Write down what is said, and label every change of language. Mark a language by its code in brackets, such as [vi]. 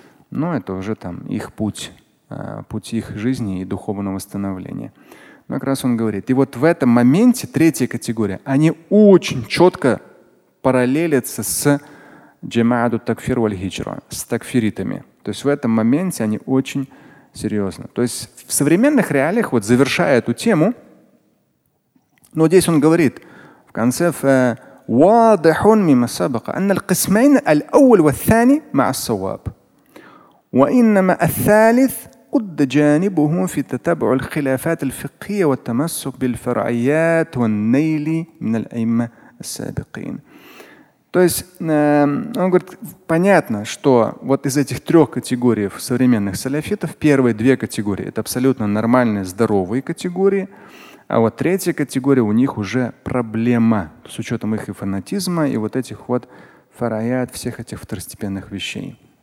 [ru] Но это уже там их путь, путь их жизни и духовного становления. Но как раз он говорит. И вот в этом моменте третья категория, они очень четко параллелятся с джамааду такфир валь хиджра, с такфиритами. То есть в этом моменте они очень серьезно. [ar] То есть в современных реалиях, вот завершая эту тему, но здесь он говорит в конце وَاضِحٌ مِمَا سَبَقَ أَنَّ الْقِسْمَيْنَ الْأَوَّلْ وَالثَّانِي مَعَ الصَّوَابِ وَإِنَّمَا الثَّالِثْ قُدَّ جَانِبُهُمْ فِي تَتَبُعُ الْخِلَافَاتِ الْفِقِّيَّ وَالتَّمَسُّكْ بِالْفَرْعَيَّاتِ وَالنَّيْلِ مِنَ الْأَيْمَّةِ السَّابِقِينَ. [ru] То есть он говорит, понятно, что вот из этих трех категорий современных саляфитов первые две категории – это абсолютно нормальные, здоровые категории. А вот третья категория, у них уже проблема с учетом их и фанатизма, и вот этих вот фараят, всех этих второстепенных вещей.